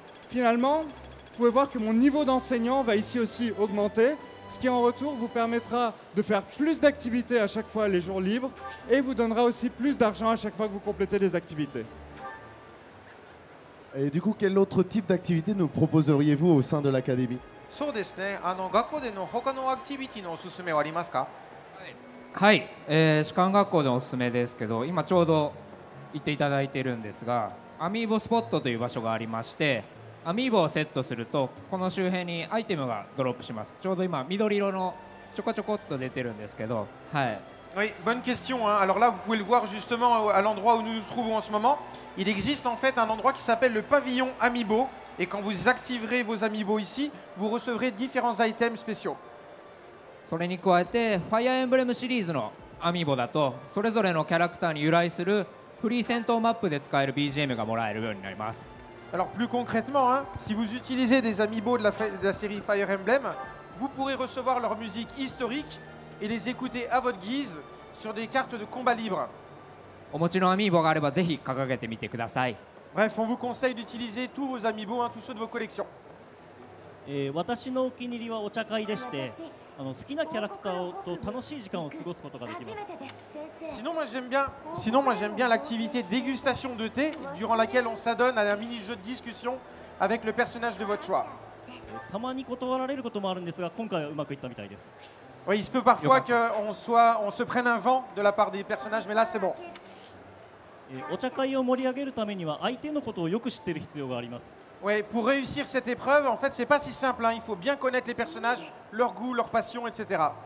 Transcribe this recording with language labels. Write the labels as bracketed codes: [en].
[fr] Finalement, vous pouvez voir que mon niveau d'enseignant va ici aussi augmenter, ce qui en retour vous permettra de faire plus d'activités à chaque fois les jours libres et vous donnera aussi plus d'argent à chaque fois que vous complétez des activités. Et du coup, quel autre type d'activité nous proposeriez-vous au sein de l'académie ? [ja] そうですね。あの、学校での他のアクティビティのおすすめはありますか？はい。はい。士官学校でおすすめですけど、今ちょうど行っていただいているんですが、アミーボスポットという場所がありまして、アミーボをセットすると、この周辺にアイテムがドロップします。ちょうど今、緑色のちょこちょこっと出てるんですけど、はい。 [fr] Oui, bonne question. Hein. Alors là, vous pouvez le voir justement à l'endroit où nous nous trouvons en ce moment. Il existe en fait un endroit qui s'appelle le pavillon Amiibo. Et quand vous activerez vos Amiibo ici, vous recevrez différents items spéciaux. [ja] それに加えて、Fire Emblem シリーズの Amiibo だと、それぞれのキャラクターに由来するフリー戦闘マップで使える BGM がもらえるようになります。 [fr] Alors plus concrètement, hein, si vous utilisez des Amiibo de la série Fire Emblem, vous pourrez recevoir leur musique historique et les écouter à votre guise sur des cartes de combat libre. Bref, on vous conseille d'utiliser tous vos amiibo, hein, tous ceux de vos collections. Et moi, mon préféré est le tea-kai, et je peux passer un bon moment avec mes personnages préférés. Sinon, moi j'aime bien l'activité dégustation de thé durant laquelle on s'adonne à un mini jeu de discussion avec le personnage de votre choix. Oui, il se peut parfois qu'on se prenne un vent de la part des personnages, mais là, c'est bon. Et au [ja] 茶会を盛り上げるためには相手のことをよく知ってる必要があります。 [fr] Ouais, pour réussir cette épreuve, en fait, c'est pas si simple, hein. Il faut bien connaître les personnages, leurs goûts, leurs passions, etc.